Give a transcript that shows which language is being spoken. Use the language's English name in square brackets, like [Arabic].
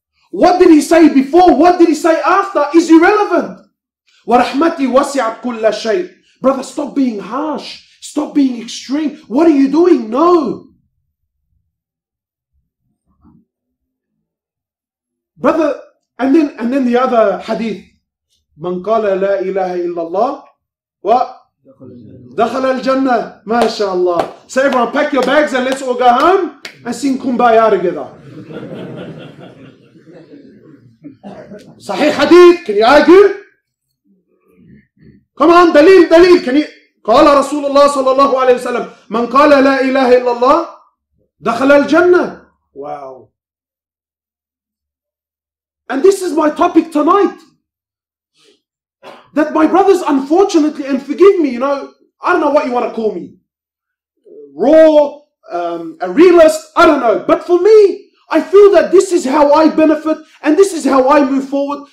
[English] What did he say before? What did he say after? Is irrelevant. [Arabic] ورحمتي وسعت كل شيء. [English] Brother, stop being harsh. Stop being extreme. What are you doing? No. Brother, and then the other hadith. [Arabic] من قال لا إله إلا الله و دخل الجنة ما شاء الله. [English] So everyone pack your bags and let's all go home and sing Kumbaya together. [Arabic] صحيح حديث. [English] Can you argue? Come on, دليل. Can you? [Arabic] قال رسول الله صلى الله عليه وسلم من قال لا إله إلا الله دخل الجنة. [English] Wow. And this is my topic tonight. That my brothers, unfortunately, and forgive me, you know, I don't know what you want to call me. Raw, a realist, I don't know. But for me, I feel that this is how I benefit and this is how I move forward.